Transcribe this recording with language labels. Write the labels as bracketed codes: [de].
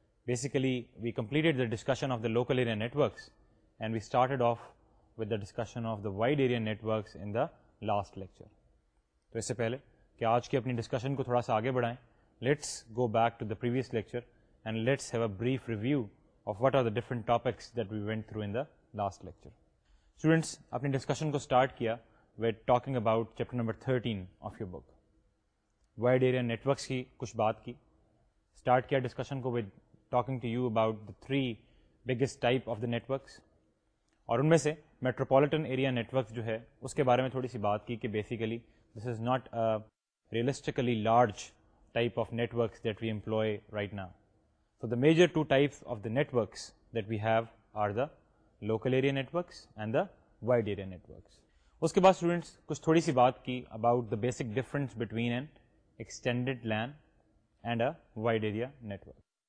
[en] Basically, we completed the discussion of the local area networks and we started off with the discussion of the wide area networks in the last lecture. [ur] To isse pehle کہ آج کی اپنی discussion کو تھوڑا سا آگے بڑھائیں [en] let's go back to the previous lecture and let's have a brief review of what are the different topics that we went through in the last lecture [ur] students اپنی ڈسکشن کو اسٹارٹ کیا [en] we talking about chapter number 13 of your book [ur] wide area networks کی کچھ بات کی [en] start کیا discussion کو with talking to you about the three biggest type of the networks [ur] اور ان میں سے میٹروپولیٹن ایریا نیٹورکس جو ہے اس کے بارے میں تھوڑی سی بات کی کہ [en] Basically this is not realistically large type of networks that we employ right now. So the major two types of the networks that we have are the local area networks and the wide area networks. [ur] Uske baad students kuch thodi si baat ki [en] about the basic difference between an extended LAN and a wide area network.